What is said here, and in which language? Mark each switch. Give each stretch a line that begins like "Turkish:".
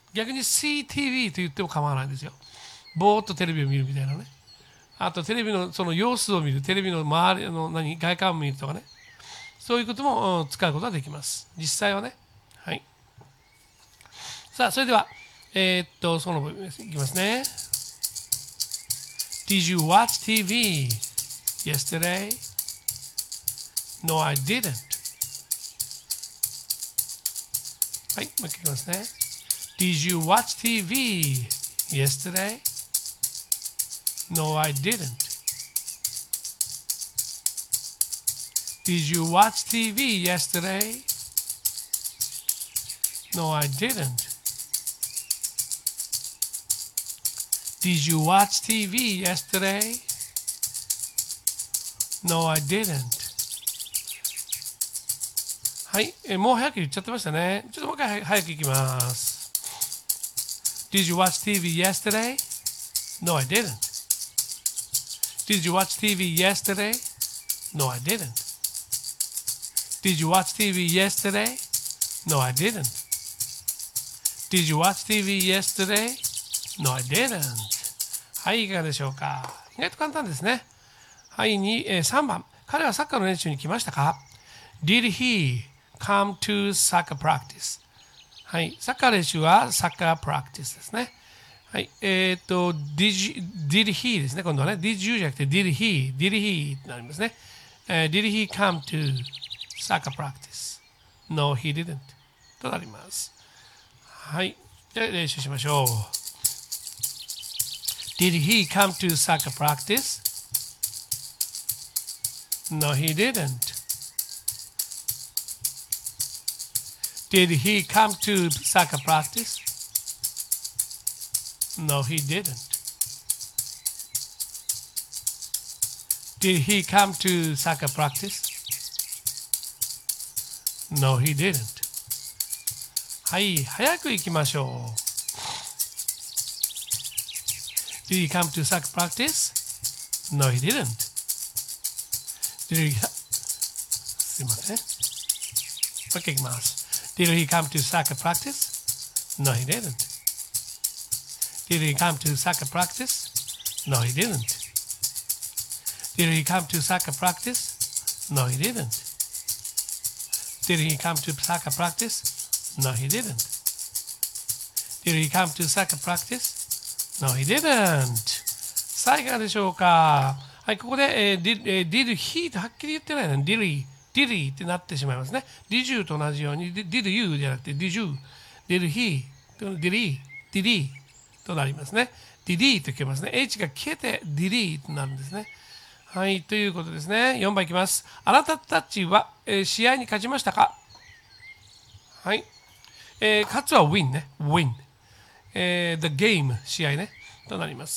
Japanese: 逆に
English: See TV
Japanese: と言っても構わないんですよ。ぼーっとテレビを見るみたいなね。あとテレビのその様子を見る、テレビの周りの何外観を見るとかね、そういうことも使うことができます、実際はね。はい、さあそれではその部分いきますね。
English: Did you watch TV yesterday? No, I didn't.
Japanese: はい、もう一回いきますね。
English: Did you watch TV yesterdayNo, I didn't. Did you watch TV yesterday? No, I didn't. Did you watch TV yesterday? No, I didn't.
Japanese: はい、もう早く言っちゃってましたね。ちょっともう一回早く行きます。
English: Did you watch TV yesterday? No, I didn't. Did you watch TV yesterday? No, I didn't. Did you watch TV yesterday? No, I didn't. Did you watch TV yesterday? No, I didn't.
Japanese: はい、いかがでしょうか。意外と簡単ですね。はい、3番。彼はサッカーの練習に来ましたか?
English: Did he come to soccer practice?
Japanese: はい、サッカー練習はサッカープラクティスですね。はい、did he ですね、今度はね。
English: Did you
Japanese: じゃなくて、did he ってなりますね。
English: Did he come to soccer practice? No, he didn't.
Japanese: となります。はい。じゃあ練習しましょう。
English: Did he come to soccer practice? No, he didn't. Did he come to soccer practice? No, he didn't. Did he come to soccer practice? No, he didn't.
Japanese: はい、早く行きましょう。
English: Did he come to soccer practice? No, he didn't.
Japanese: すいません。もう一回行きます。
English: Did he come to soccer practice? No, he didn't. Did he come to soccer practice? No, he didn't. Did he come to soccer practice? No, he didn't. Did he come to soccer practice? No, he didn't. Did he come to soccer practice? No, he didn't.
Japanese: さあ、いかがでしょうか。はい、ここで、
English: did he
Japanese: とはっきり言ってないね。
English: Did he
Japanese: ってなってしまいますね。
English: Did you
Japanese: と同じように、did you じゃなくて、did you。
English: Did he? Did he?
Japanese: となりますね。DD と聞けますね。 H が消えて DD となるんですね。はい、ということですね。4番いきます。あなたたちは、試合に勝ちましたか。はい、勝つは Win ね。 Win、The game 試合ねとなります。